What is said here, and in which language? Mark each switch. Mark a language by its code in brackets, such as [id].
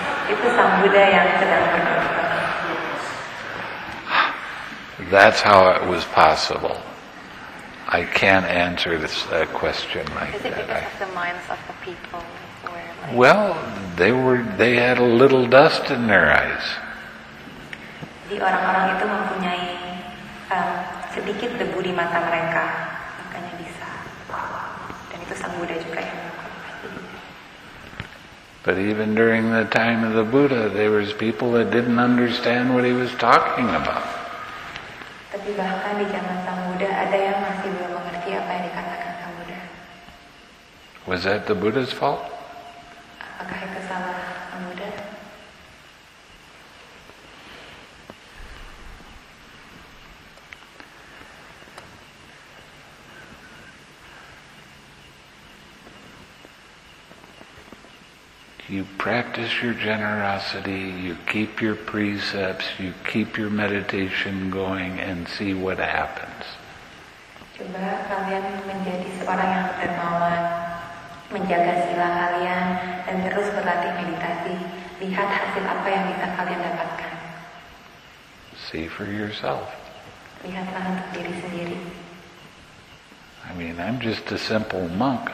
[id] Itu sang Buddha yang sedang berbicara. [en] That's how it was possible. I can't answer this question like that. Is it because of the minds of the people were like? Well, they had a little dust in their eyes. [id] Jadi orang-orang itu mempunyai sedikit debu di mata mereka, makanya bisa. Dan itu sang Buddha juga yang [en] But even during the time of the Buddha, there was people that didn't understand what he was talking about. [id] Tapi bahkan di zaman Sang Buddha ada yang masih belum mengerti apa yang dikatakan Sang Buddha. [en] Was that the Buddha's fault? [id] Apakah itu salah Sang Buddha? [en] You practice your generosity, you keep your precepts, you keep your meditation going and see what happens. [id] Coba kalian menjadi seorang yang dermawan, menjaga sila kalian dan terus berlatih meditasi. Lihat hasil apa yang bisa kalian dapatkan. [en] See for yourself. [id] Lihatlah untuk diri sendiri. [en] I mean, I'm just a simple monk.